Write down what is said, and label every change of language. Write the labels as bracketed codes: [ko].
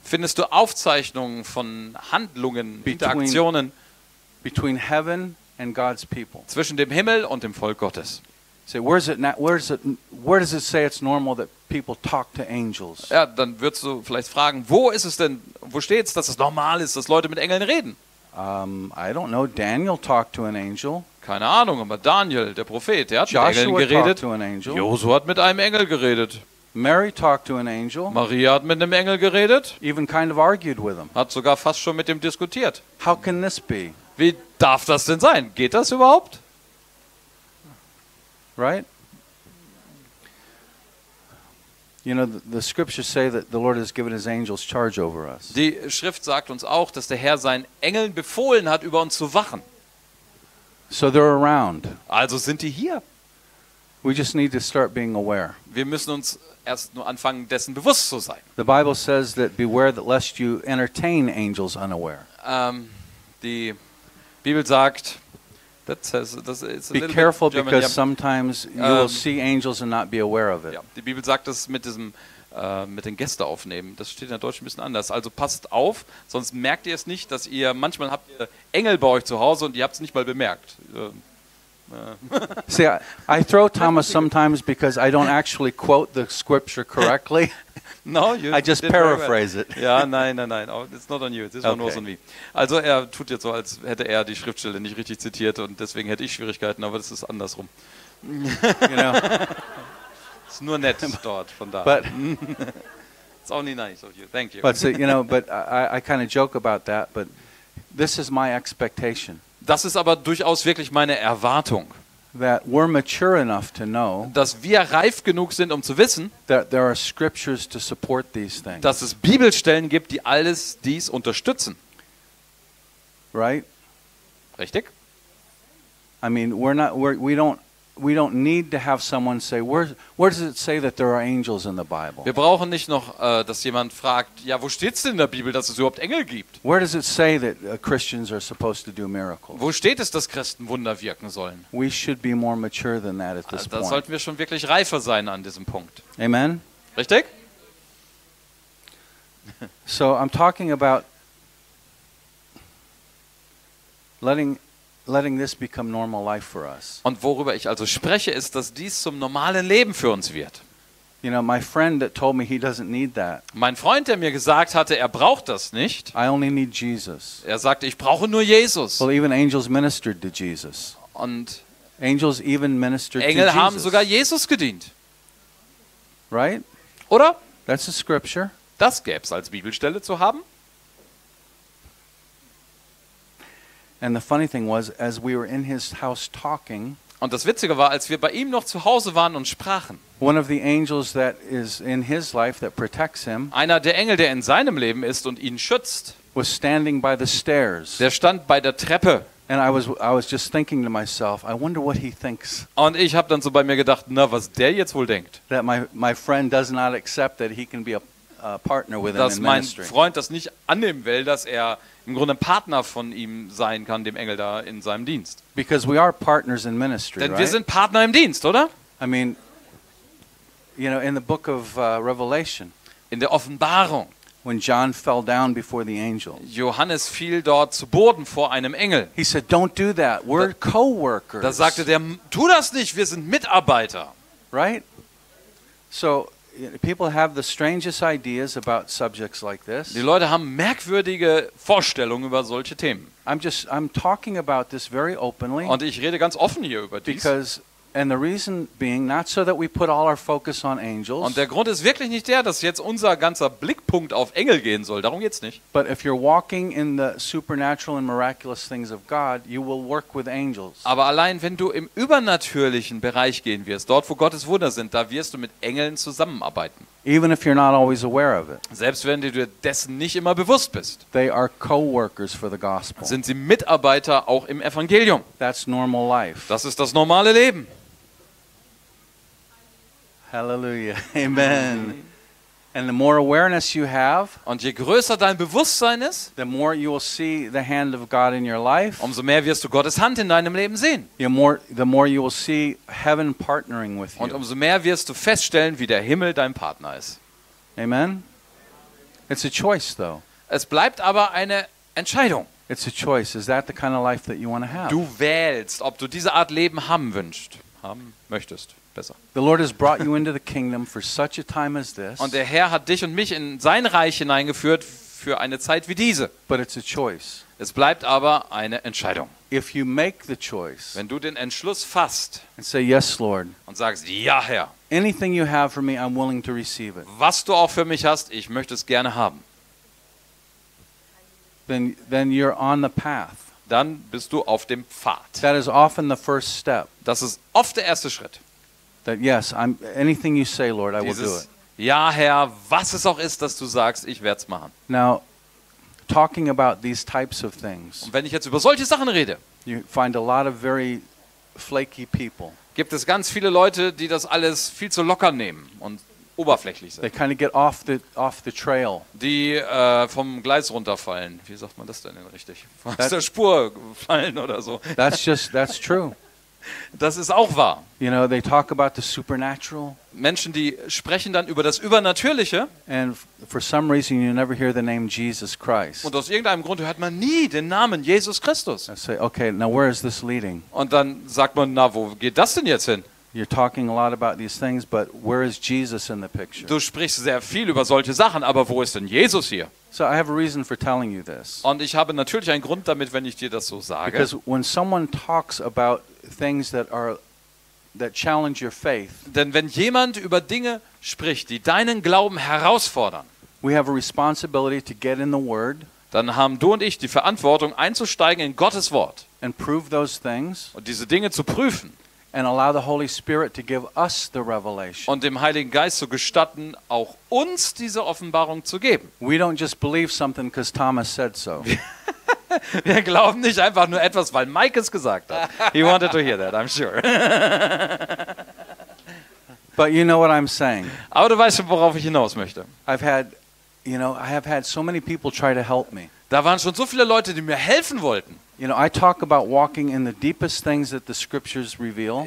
[de] Findest du Aufzeichnungen von Handlungen, Interaktionen [en] between heaven and God's people. [de] Zwischen dem Himmel und dem Volk Gottes. [en] Say, where is it? Where does it say it's normal that people talk to angels? [de] Ja, dann würdest du vielleicht fragen, wo ist es denn, wo steht's, dass es normal ist, dass Leute mit Engeln reden? [en] I don't know. Daniel talked to an angel. [de] Keine Ahnung, aber Daniel, der Prophet, der hat [en] Joshua [de] mit Engeln geredet. [en] Talked to an angel. [de] Josu hat mit einem Engel geredet. [en] Mary talked to an angel. [de] Maria hat mit einem Engel geredet. [en] Even kind of argued with him. [de] Hat sogar fast schon mit ihm diskutiert. [en] How can this be? [de] Wie darf das denn sein? Geht das überhaupt? [en] Right? You know, the scriptures say that the Lord has given his angels charge over us. [de] Die Schrift sagt uns auch, dass der Herr seinen Engeln befohlen hat, über uns zu wachen. [en] So they're around. [de] Also sind die hier. [en] We just need to start being aware. [de] Wir müssen uns erst nur anfangen, dessen bewusst zu sein. [en] The Bible says that beware that lest you entertain angels unaware. [de] Die Bibel sagt, [en] that says, that's, it's a be careful bit German, because yeah. Sometimes you will see angels and not be aware of it. [de] Ja, die Bibel sagt das mit diesem mit den Gästen aufnehmen. Das steht in der Deutsch ein bisschen anders. Also passt auf, sonst merkt ihr es nicht, dass ihr manchmal habt ihr Engel bei euch zu Hause und ihr habt es nicht mal bemerkt. [en] See, I throw Thomas sometimes because I don't actually quote the scripture correctly. No, you I just paraphrase it. [de] Ja, nein. [en] Oh, it's not on you, it's okay. [de] Nur so wie. Also er tut jetzt so, als hätte er die Schriftstelle nicht richtig zitiert und deswegen hätte ich Schwierigkeiten, aber das ist andersrum. [en] You know. [de] Ist nur nett dort, von da. [en] But, it's only nice of you, thank you. But so, you know, but I kind of joke about that, but this is my expectation. [de] Das ist aber durchaus wirklich meine Erwartung, [en] that we're mature enough to know, [de] dass wir reif genug sind, um zu wissen, [en] that there are scriptures to support these things, [de] dass es Bibelstellen gibt, die alles dies unterstützen. [en] Right? [de] Richtig? [en] I mean, we don't need to have someone say, where does it say that there are angels in the Bible? [de] Wir brauchen nicht noch, dass jemand fragt, ja, wo steht's denn in der Bibel, dass es überhaupt Engel gibt? [en] Where does it say that Christians are supposed to do miracles? [de] Wo steht es, dass Christen Wunder wirken sollen? [en] We should be more mature than that at this point. [de] Da sollten wir schon wirklich reifer sein an diesem Punkt. [en] Amen. [de] Richtig? [en] So I'm talking about letting this become normal life for us. [de] Und worüber ich also spreche, ist, dass dies zum normalen Leben für uns wird. [en] You know, my friend that told me he doesn't need that. [de] Mein Freund, der mir gesagt hatte, er braucht das nicht. [en] I only need Jesus. [de] Er sagte, ich brauche nur Jesus. [en] Well, even angels ministered to Jesus. [de] Und [en] angels even ministered [de] Engel [en] to Jesus. [de] Haben sogar Jesus gedient. [en] Right? [de] Oder? [en] That's a scripture. [de] Das gäbe es als Bibelstelle zu haben. [en] And the funny thing was, as we were in his house talking, [de] und das Witzige war, als wir bei ihm noch zu Hause waren und sprachen, [en] one of the angels that is in his life that protects him, [de] einer der Engel, der in seinem Leben ist und ihn schützt, [en] was standing by the stairs, [de] der stand bei der Treppe, [en] and I was just thinking to myself, I wonder what he thinks, [de] und ich habe dann so bei mir gedacht, na, was der jetzt wohl denkt, [en] that my friend does not accept that he can be a partner with [de] dass [en] him in ministry, [de] dass mein Freund das nicht annehmen will, dass er im Grunde ein Partner von ihm sein kann, dem Engel da in seinem Dienst. [en] Because we are partners in ministry, [de] denn [en] right? [de] Wir sind Partner im Dienst, oder? [en] I mean, you know, in the book of Revelation, [de] in der Offenbarung, [en] when John fell down before the angel. [de] Johannes fiel dort zu Boden vor einem Engel. [en] He said, "Don't do that. We're co-workers." [de] Da sagte der, tu das nicht, wir sind Mitarbeiter. [en] Right? So people have the strangest ideas about subjects like this. [de] Die Leute haben merkwürdige Vorstellungen über solche Themen. [en] I'm talking about this very openly. [de] Und ich rede ganz offen hier über dies. [en] Because and the reason being not so that we put all our focus on angels. [de] Und der Grund ist wirklich nicht der, dass jetzt unser ganzer Blickpunkt auf Engel gehen soll. Darum geht's nicht. [en] But if you're walking in the supernatural and miraculous things of God, you will work with angels. [de] Aber allein wenn du im übernatürlichen Bereich gehen wirst, dort wo Gottes Wunder sind, da wirst du mit Engeln zusammenarbeiten. [en] Even if you're not always aware of it. [de] Selbst wenn du dir dessen nicht immer bewusst bist. [en] They are co-workers for the gospel. [de] Sind sie Mitarbeiter auch im Evangelium? [en] That's normal life. [de] Das ist das normale Leben. [en] Hallelujah. Amen. And the more awareness you have, [de] und je größer dein Bewusstsein ist, [en] the more you will see the hand of God in your life. [de] Umso mehr wirst du Gottes Hand in deinem Leben sehen. [en] The more you will see heaven partnering with you. [de] Und umso mehr wirst du feststellen, wie der Himmel dein Partner ist. [en] Amen. It's a choice though. [de] Es bleibt aber eine Entscheidung. [en] It's a choice. Is that the kind of life that you want to have? [de] Du wählst, ob du diese Art Leben haben möchtest. Besser. [en] The Lord has brought you into the kingdom for such a time as this. [de] Und der Herr hat dich und mich in sein Reich hineingeführt für eine Zeit wie diese. [en] But it's a choice. [de] Es bleibt aber eine Entscheidung. [en] If you make the choice, [de] wenn du den Entschluss fasst, [en] and say yes, Lord, [de] und sagst ja, Herr, [en] anything you have for me, I'm willing to receive it. [de] Was du auch für mich hast, ich möchte es gerne haben. [en] Then you're on the path. [de] Dann bist du auf dem Pfad. [en] That is often the first step. [de] Das ist oft der erste Schritt. [en] That yes, I'm anything you say, Lord, I will do it. [de] Ja, Herr, was es auch ist, dass du sagst, ich werde es machen. [en] Now, talking about these types of things. [de] Und wenn ich jetzt über solche Sachen rede, [en] you find a lot of very flaky people. [de] Gibt es ganz viele Leute, die das alles viel zu locker nehmen und oberflächlich sind. [en] They kind of get off the trail. [de] Die vom Gleis runterfallen. Wie sagt man das denn richtig? Aus der Spur fallen oder so. [en] That's true. [de] Das ist auch wahr. [en] You know, they talk about the supernatural. [de] Menschen, die sprechen dann über das Übernatürliche. [en] And for some reason you never hear the name Jesus Christ. [de] Und aus irgendeinem Grund hört man nie den Namen Jesus Christus. [en] I say, okay, now where is this leading? [de] Und dann sagt man, na, wo geht das denn jetzt hin? [en] You're talking a lot about these things, but where is Jesus in the picture? [de] Du sprichst sehr viel über solche Sachen, aber wo ist denn Jesus hier? [en] So I have a reason for telling you this. [de] Und ich habe natürlich einen Grund damit, wenn ich dir das so sage. [en] Because when someone talks about things that challenge your faith. [de] Denn wenn jemand über Dinge spricht, die deinen Glauben herausfordern, [en] we have a responsibility to get in the Word. [de] Dann haben du und ich die Verantwortung, einzusteigen in Gottes Wort. [en] And prove those things. [de] Und diese Dinge zu prüfen. [en] And allow the Holy Spirit to give us the revelation. [de] Und dem Heiligen Geist zu gestatten, auch uns diese Offenbarung zu geben. [en] We don't just believe something because Thomas said so. [de] Wir glauben nicht einfach nur etwas, weil Mike es gesagt hat. [en] He wanted to hear that, I'm sure. But you know what I'm saying. [de] Aber du weißt schon, worauf ich hinaus möchte. [en] I have had so many people try to help me. [de] Da waren schon so viele Leute, die mir helfen wollten. [en] You know, I talk about walking in the deepest things that the scriptures reveal.